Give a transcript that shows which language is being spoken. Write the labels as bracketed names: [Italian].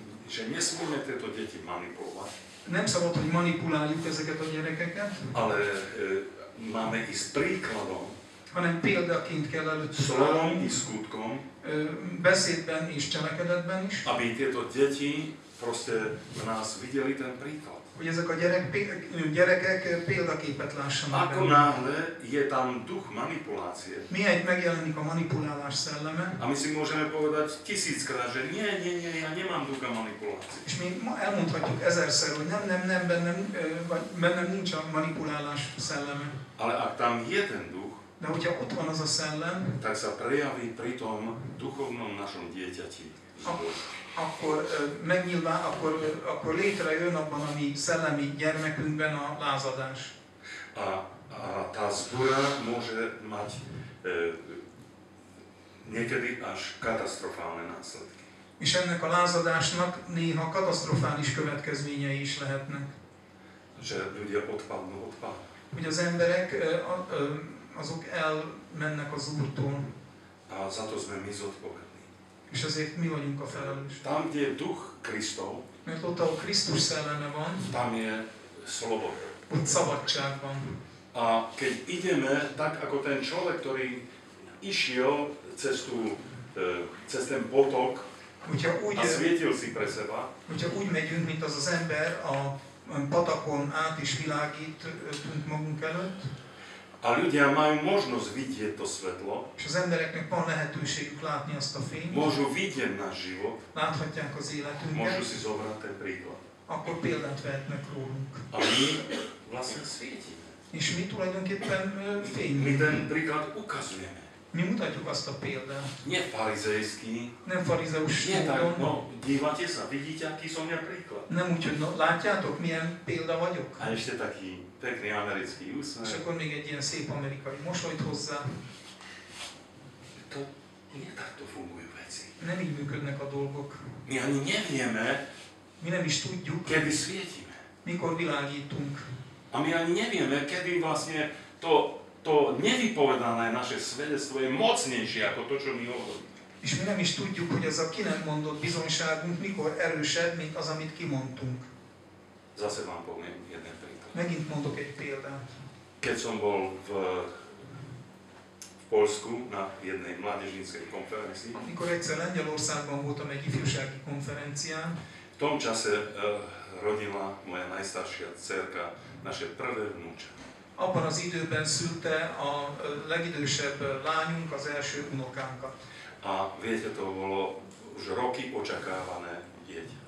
[Slovak] že nesmíme tieto deti manipulovať, [Hungarian] nem szabad, hogy manipuláljuk ezeket a gyerekeket, [Slovak] ale máme ísť príkladom, [Hungarian] hanem példaként kell előtt [Slovak] szólom i skutkom, [Hungarian] beszédben és cselekedetben is, [Slovak] aby tieto deti proste v nás videli ten príklad. [Hungarian] Hogy ezek a gyerekek példaképet lássanak. [Slovak] Ako náhle je tam duch manipulácie. [Hungarian] Miért megjelenik a manipulálás szelleme. [Slovak] A my si môžeme povedať tisíckrát, že nie, ja nemám ducha manipulácie. [Hungarian] És mi elmondhatjuk ezerszer, hogy nem, bennem nincs a manipulálás szelleme. [Slovak] Ale ak tam je ten duch, [Hungarian] de hogyha ott van az a szellem, [Slovak] tak sa prejaví pri tom duchovnom našom dieťati. [Hungarian] Akkor létrejön abban a mi szellemi gyermekünkben a lázadás. [Slovak] A tá zbúra môže mať niekedy až katasztrofálne následky. [Hungarian] És ennek a lázadásnak néha katasztrofális következményei is lehetnek. [Slovak] Že ľudia odpadnú. [Hungarian] Hogy az emberek, azok elmennek az Úrtól. [Slovak] A za to sme my zodpovední. [Hungarian] És ezért mi vagyunk a felelős. [Slovak] Tam, kde je duch Kristov, [Hungarian] mert ott, ahol Krisztus szelleme van, [Slovak] tam je sloboda. [Hungarian] Ott szabadság van. [Slovak] A keď ideme tak, ako ten človek, ktorý išiel cez ten potok [Hungarian] úgy, [Slovak] a svietil si pre seba, [Hungarian] hogyha úgy megyünk, mint az ember, a patakon át is világítunk magunk előtt, [Slovak] a ľudia majú možnosť vidieť to svetlo. [Hungarian] És az embereknek van lehetőségük látni azt a fényt. [Slovak] Môžu vidieť náš život. [Hungarian] Láthatják az életünket. [Slovak] Môžu si zobrať ten príklad. [Hungarian] Akkor példát vehetnek rólunk. [Slovak] A my vlastne svietíme. [Hungarian] És mi tulajdonképpen fényünk. [Slovak] My ten príklad ukazujeme. [Hungarian] Mi mutatjuk azt a példát. [Slovak] Nie farizejský. [Hungarian] Nem farizeus [Slovak] stúdom. Nie tak, no, dívate sa, vidíte, aký som ja príklad. [Hungarian] Nem úgy, hogy no, látjátok, milyen példa vagyok. [Slovak] A ešte taký pekný americký úsmev. [Hungarian] És akkor még egy ilyen szép amerikai mosolyt hozzá. [Slovak] To nie takto fungujú veci. [Hungarian] Nem így működnek a dolgok. [Slovak] Mi ani nevieme. [Hungarian] Mi nem is tudjuk. [Slovak] Kedy svietíme. [Hungarian] Mikor világítunk. [Slovak] A my ani nevieme, kedy vlastne to nevypovedané naše svedectvo je mocnejšie ako to, čo my hovoríme. [Hungarian] És mi nem is tudjuk, hogy ez a ki nem mondott bizonyságunk mikor erősebb, mint az, amit kimondtunk. [Slovak] Zase vám poviem jeden príklad. [Hungarian] Megint mondok egy példát. [Slovak] Keď som bol v Polsku na jednej mládežníckej konferencii. [Hungarian] Amikor egyszer Lengyelországban voltam egy ifjúsági konferencián. [Slovak] V tom čase rodila moja najstaršia dcerka naše prvé vnúča. [Hungarian] Abban az időben szülte a legidősebb lányunk az első unokánkat. [Slovak] A viete, to bolo už roky očakávané dieťa.